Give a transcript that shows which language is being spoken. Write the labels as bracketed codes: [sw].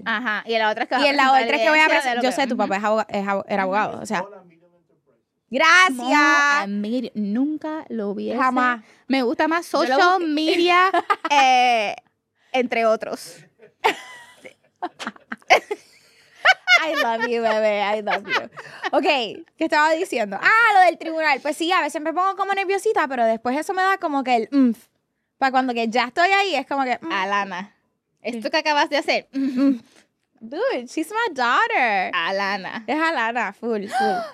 [es] Ajá. Y en la otra es que voy a presentar. Yo sé, tu papá era abogado. O sea. ¡Gracias! Nunca lo hubiese. Jamás. Me gusta más social media, entre otros. [en] I love you, bebé, I love you. [es] Okay, ¿qué estaba diciendo? Ah, lo del tribunal. Pues sí, a veces me pongo como nerviosita, pero después eso me da como que el umf. Para cuando que ya estoy ahí, es como que... Umf. Alana, esto que acabas de hacer. [en] Dude, she's my daughter. [es] Alana. Es Alana, full, full.